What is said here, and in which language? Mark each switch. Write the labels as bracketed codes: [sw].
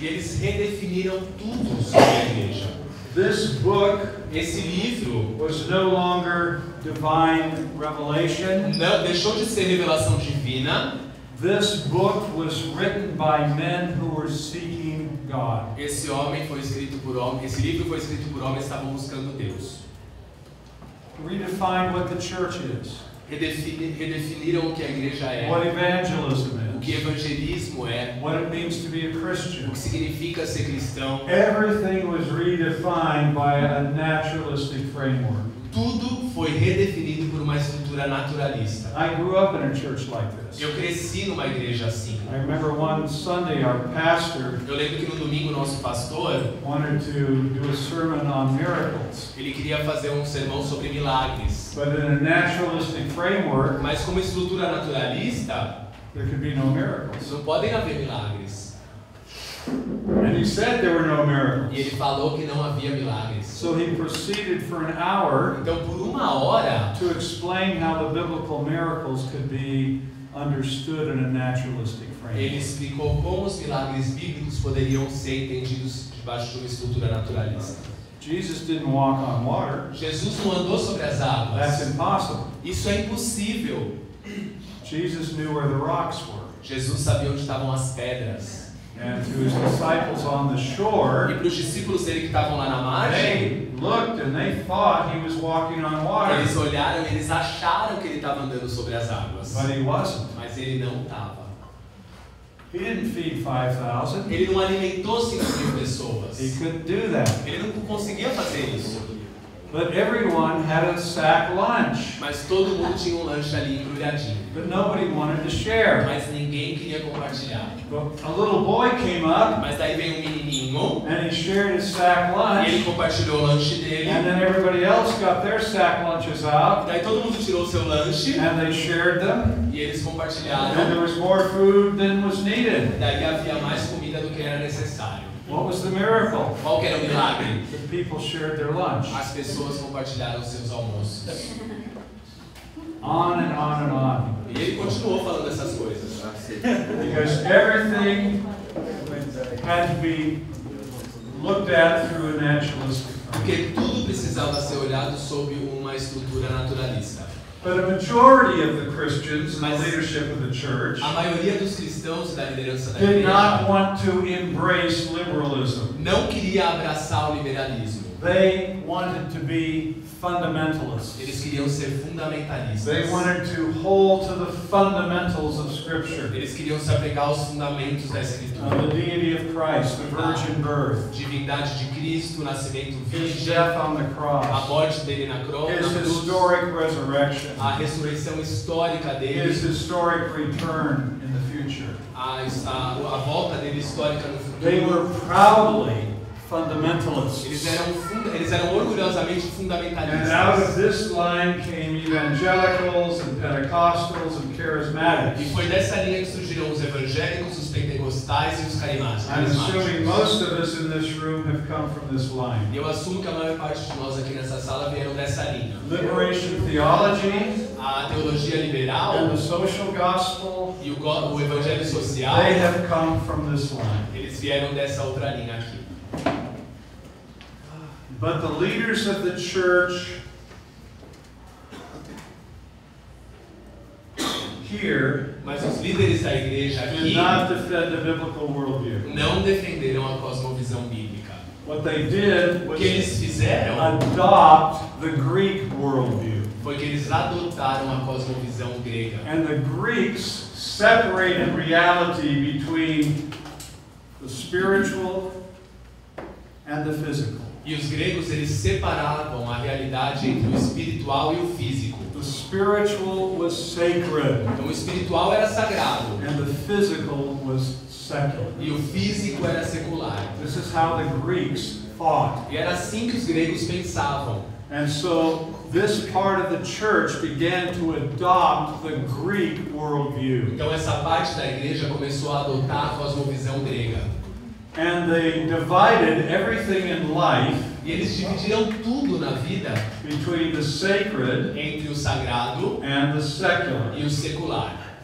[pt] E eles redefiniram tudo sobre a igreja. [en] This book, [pt] esse livro, [en] was no longer divine revelation. [pt] Não, deixou de ser revelação divina. [en] This book was written by men who were seeking God. [pt] Esse livro foi escrito por homens que estavam buscando Deus. [en] Redefine what the church is. [pt] Redefiniram o que a igreja é. [en] What evangelism is. [pt] O que evangelismo é. [en] What it means to be a Christian. [pt] O que significa ser cristão. [en] Everything was redefined by a naturalistic framework. [pt] Tudo foi redefinido por uma estrutura naturalista. [en] I grew up in a church like this. [pt] Eu cresci numa igreja assim. [en] I remember one Sunday our pastor, [pt] eu lembro que no domingo nosso pastor [en] wanted to do a sermon on miracles. [pt] Ele queria fazer um sermão sobre milagres. [en] But in a naturalistic framework, [pt] mas como estrutura naturalista, [en] there could be no miracles. [pt] Não podem haver milagres. [en] And he said there were no miracles. [pt] E ele falou que não havia milagres. [en] So he proceeded for an hour, [pt] então, por uma hora, [en] to explain how the biblical miracles could be understood in a naturalistic framework. [pt] Ele explicou como os milagres bíblicos poderiam ser entendidos debaixo de uma estrutura naturalista. [en] Jesus didn't walk on water. [pt] Jesus não andou sobre as águas. [en] That's impossible. [pt] Isso é impossível. [en] Jesus knew where the rocks were. [pt] Jesus sabia onde estavam as pedras. [en] And to his disciples on the shore, [pt] e para os discípulos dele que estavam lá na margem, [en] they looked and they thought he was walking on water. [pt] Eles olharam e eles acharam que ele estava andando sobre as águas. [en] But he wasn't. [pt] Mas ele não estava. [en] He didn't feed 5,000. [pt] Ele não alimentou 5,000 pessoas. [en] He couldn't do that. [pt] Ele não conseguia fazer isso. [en] But everyone had a sack lunch. [pt] Mas todo mundo tinha um lanche ali embrulhadinho. [en] But nobody wanted to share. [pt] Mas ninguém queria compartilhar. [en] But a little boy came up. [pt] Mas daí veio um menininho. [en] And he shared his sack lunch. [pt] E ele compartilhou o lanche dele. [en] And then everybody else got their sack lunches out. [pt] E daí todo mundo tirou seu lanche. [en] And they shared them. [pt] E eles compartilharam. [en] And there was more food than was needed. [pt] E daí havia mais comida do que era necessário. [en] What was the miracle? [pt] Qual que era o milagre? [en] The people shared their lunch. [pt] As pessoas compartilharam seus almoços. [en] On and on and on. [pt] E ele continuou falando essas coisas. [en] Because everything had to be looked at through a naturalistic. [pt] Porque tudo precisava ser olhado sob uma estrutura naturalista. [en] But a majority of the Christians in the leadership of the church did not want to embrace liberalism. [pt] Não queria abraçar o liberalismo. [en] They wanted to be fundamentalists. [pt] Eles queriam ser fundamentalistas. [en] They wanted to hold to the fundamentals of Scripture. [pt] Eles queriam se apegar aos fundamentos da Escritura. [en] The deity of Christ, the virgin birth. [pt] Divindade de Cristo, nascimento virgem. [en] His death on the cross. [pt] A morte dele na cruz. [en] His historic resurrection. [pt] A ressurreição histórica dele. [en] His historic return in the future. [pt] A volta dele histórica no futuro. [en] They were proudly fundamentalists. [pt] Eles eram orgulhosamente fundamentalistas. [en] And out of this line came evangelicals and Pentecostals and charismatics. [pt] E foi dessa linha que surgiram os evangélicos, os pentecostais e os carismáticos. [en] I'm assuming most of us in this room have come from this line. [pt] Eu assumo que a maior parte de nós aqui nessa sala vieram dessa linha. [en] Liberation theology. [pt] A teologia liberal. [en] And the social gospel. [pt] E o evangelho social. [en] They have come from this line. [pt] Eles vieram dessa outra linha aqui. [en] But the leaders of the church here, [pt] mas os líderes da igreja aqui, [en] did not defend the biblical worldview. [pt] Não defenderam a cosmovisão bíblica. [en] What they did was [pt] que eles fizeram, [en] adopt the Greek worldview. [pt] Foi que eles adotaram a cosmovisão grega. [en] And the Greeks separated reality between the spiritual and the physical. [pt] E os gregos, eles separavam a realidade entre o espiritual e o físico. [en] The spiritual was sacred. [pt] Então, o espiritual era sagrado. [en] And the physical was secular. [pt] E o físico era secular. [en] This is how the Greeks thought. [pt] E era assim que os gregos pensavam. [en] And so, this part of the church began to adopt the Greek worldview. [pt] Então, essa parte da igreja começou a adotar a cosmovisão grega. [en] And they divided everything in life, [pt] e eles dividiram tudo na vida, [en] between the sacred, [pt] entre o sagrado, [en] and the secular, [pt] e o secular.